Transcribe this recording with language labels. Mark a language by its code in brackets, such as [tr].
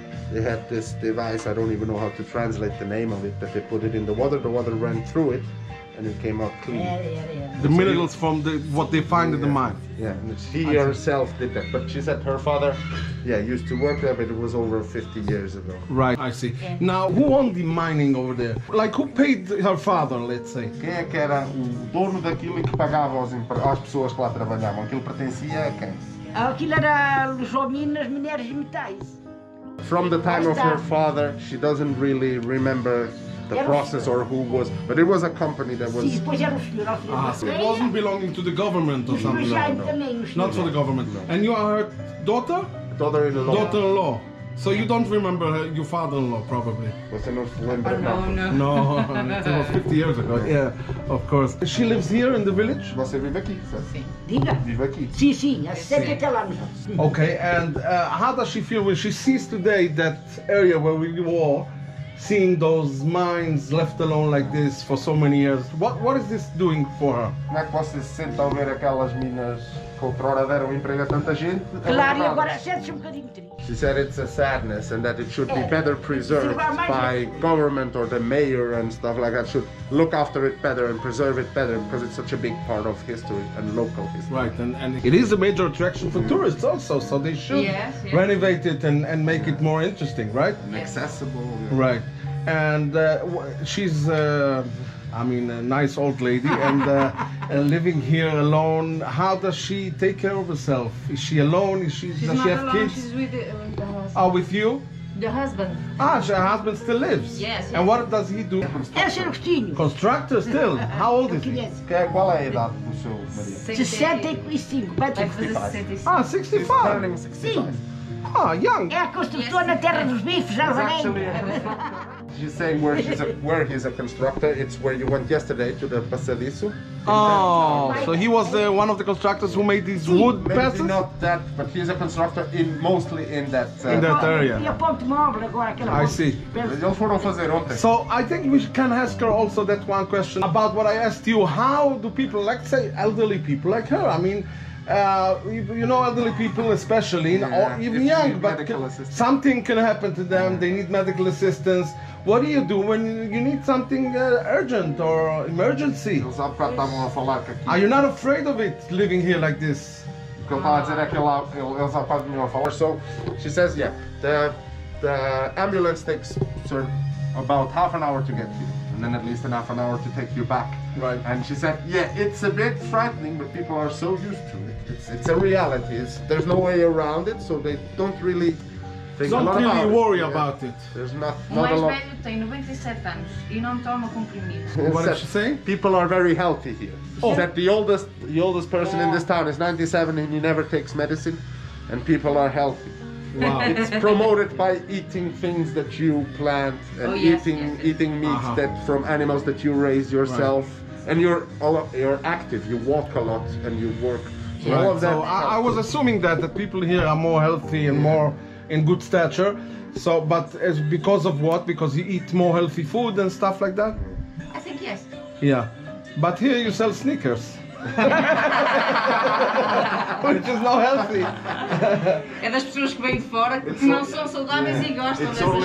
[en] They had this device, I don't even know how to translate the name of it, that they put it in the water ran through it. And it came out clean. Yeah, yeah, yeah. The minerals from the what they find in the mine. Yeah, and she herself did that. But she said her father, used to work there, but it was over 50 years ago. Right, I see. Yeah. Now, who owned the mining over there? Like, who paid her father, let's say? [pt] Quem é que era o dono daquilo que pagava as pessoas que lá trabalhavam? Aquilo pertencia a quem? Aquilo era Lusomina, Minérios e Metais. [en] From the time of her father, she doesn't really remember the process or who was, but it was a company that was... It wasn't belonging to the government or something. No. Not for the government. No. And you are her daughter? Daughter-in-law. Daughter-in-law. So you don't remember her, your father-in-law, probably? Was it not remember? No, no. No, it was 50 years ago. Yeah, of course. She lives here in the village? [pt] Você vive aqui, sir. Diga. Vive aqui. Sim, sim. Há 70 anos. [en] Okay, and how does she feel when she sees today that area where we were, seeing those mines left alone like this for so many years, what is this doing for her? [pt] Como é que você se sente ao ver aquelas minas que outrora deram emprego a tanta gente? Claro, e agora sente-se bocadinho triste. [en] She said it's a sadness and that it should be better preserved by government or the mayor and stuff like that, should look after it better and preserve it better because it's such a big part of history and local history. Right, and it is a major attraction for tourists also, so they should renovate it and make it more interesting, right? And accessible. Yeah. Right. And she's, a nice old lady and living here alone. How does she take care of herself? Is she alone? Does she have kids? She's with the husband. Oh, with you? The husband. Ah, her husband still lives? Yes. And what does he do? Constructor still? How old is he? [pt] Qual é a idade do seu marido? 65. 65. Ah, 65. Sim. [en] Ah, young. [pt] É a construtora na terra dos bifes, Alvarenga. [en] She's saying where he's a constructor, it's where you went yesterday to the passadiço. Oh, so he was one of the constructors who made these wood passes? Maybe not that, but he's a constructor mostly in that area. I see. So I think we can ask her also that one question about what I asked you. How do people, like say elderly people like her, elderly people especially, or even young, but something can happen to them, they need medical assistance. What do you do when you need something urgent or emergency? Are you not afraid of it, living here like this? So she says, the ambulance takes about half an hour to get here, and then at least half an hour to take you back. Right. And she said, it's a bit frightening, but people are so used to it. It's a reality. There's no way around it, so they don't really... Don't really about worry it, about it. There's not a lot. [pt] O mais velho tem 97 anos e não toma comprimidos. [en] What did she say? People are very healthy here. Oh. That the oldest person in this town is 97 and he never takes medicine, and people are healthy. Wow. It's promoted by eating things that you plant and eating meat that from animals that you raise yourself. Right. And you're active. You walk a lot and you work. So all of that. So I was assuming that the people here are more healthy and more in good stature, so but as because of what? Because you eat more healthy food and stuff like that? I think yes. Yeah, but here you sell sneakers, which is not healthy. [pt] É das pessoas que vêm de fora que não são saudáveis e gostam dessas coisas.